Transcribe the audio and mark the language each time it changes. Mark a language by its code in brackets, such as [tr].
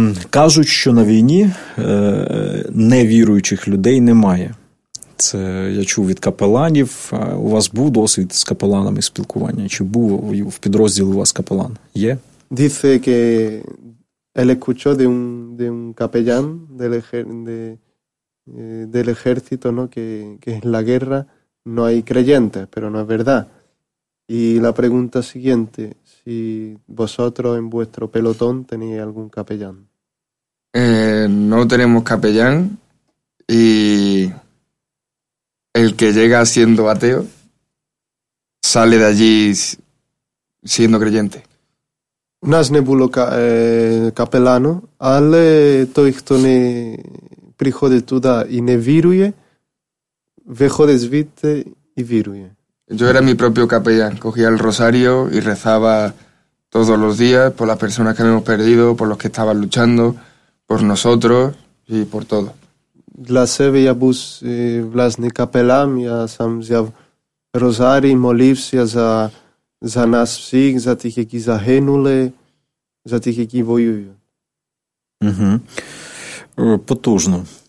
[uk] Кажуть, що на війні невіруючих людей немає. Це я чув від капеланів. У вас був досвід з капеланами спілкування? Чи був в підрозділі у вас капелан? Є? [es] Dice que él escuchó de un capellán del ejército, ¿no? que en la guerra no hay creyentes, pero no es verdad. Y la pregunta siguiente, si vosotros en vuestro pelotón tenéis algún capellán. No tenemos capellán y el que llega siendo ateo sale de allí siendo creyente. [uk] Нас не було капелану, але той, хто не приходить туди і не вірує, виходить звідти і вірує. [es] Yo era mi propio capellán, cogía el rosario y rezaba todos los días por las personas que habíamos perdido, por los que estaban luchando, por nosotros y por todo. [uk] Для себе я був власний капелан, я сам взяв розарій, молився за нас всіх, за тих, які загинули, за тих, які воюють. Потужно.